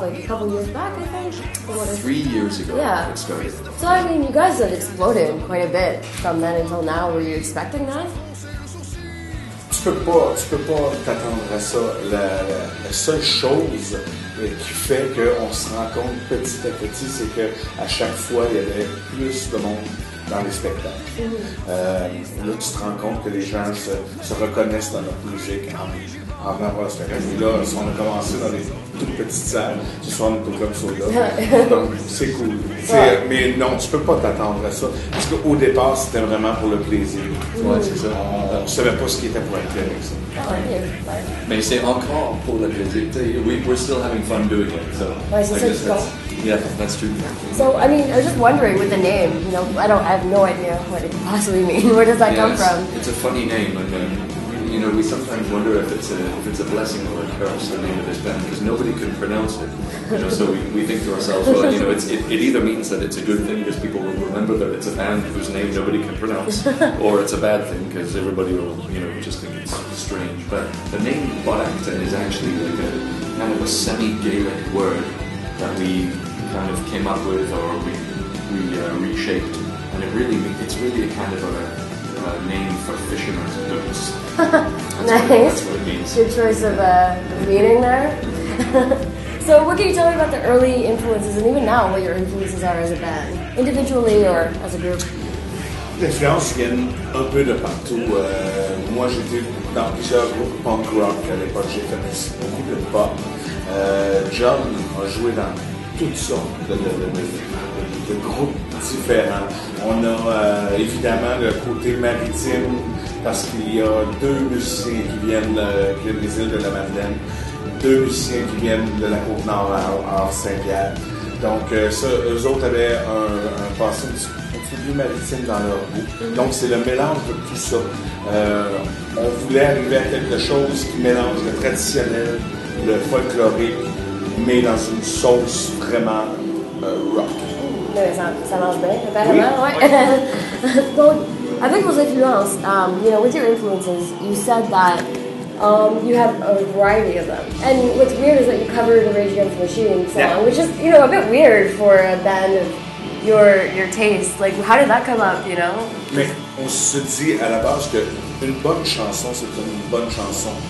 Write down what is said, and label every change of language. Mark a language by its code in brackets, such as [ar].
[en] Like, a couple years back, I think? 3 years ago. Yeah. It started. So, I mean, you guys have exploded quite a bit from then until now. Were you expecting that? [fr] Tu peux pas t'attendre à ça. La seule chose qui fait qu'on se rend compte petit à petit, c'est qu'à chaque fois, il y avait plus de monde dans les spectacles. Là, tu te rends compte que les gens se reconnaissent dans notre musique en venant voir le spectacle. Là, si on a commencé dans les toutes petites salles, ce soir, on est au Club Soda. Donc, c'est cool. Ouais. Mais non, tu peux pas t'attendre à ça. Parce qu'au départ, c'était vraiment pour le plaisir. Ouais, c'est ça. On savait pas ce qui était pour être avec ça. Mais c'est encore pour le plaisir. [en] We're still having fun doing it. So. Yeah, that's true. So, I mean, I was just wondering with the name, you know, I have no idea what it could possibly mean. Where does that come from? It's a funny name, and you know, we sometimes wonder if it's a blessing or a curse, the name of this band, because nobody can pronounce it. You know, so we think to ourselves, well, you know, it either means that it's a good thing because people will remember that it's a band whose name nobody can pronounce, or it's a bad thing because everybody will, you know, just think it's strange. But the name Bodh'aktan is actually like a kind of a semi-Gaelic word that we kind of came up with, or we reshaped, and it's really a kind of a name for fishermen's boats. Nice. That's what it means. Good choice of a meaning there. So, what can you tell me about the early influences, and even now, what your influences are as a band, individually or as a group? [fr] L'influence vient un peu de partout. Moi, j'étais dans plusieurs groupes punk rock à l'époque. J'ai fait beaucoup de pop. John a joué dans toutes sortes de groupes différents. On a évidemment le côté maritime, parce qu'il y a deux musiciens qui viennent des îles de la Madeleine, deux musiciens qui viennent de la côte nord à Saint-Pierre. Donc, ça, eux autres avaient un passé un petit peu maritime dans leur goût. Donc, c'est le mélange de tout ça. On voulait arriver à quelque chose qui mélange le traditionnel, le folklorique, mais dans une sauce vraiment rock. Ça marche bien, apparemment, oui. Donc, avec vos influences, [en] you know, with your influences, you said that you have a variety of them. And what's weird is that you covered a Rage Against the Machine song, yeah. Which is, you know, a bit weird for a band of your taste. Like, how did that come up, you know? [fr] Mais on se dit à la base que une bonne chanson, c'est une bonne chanson.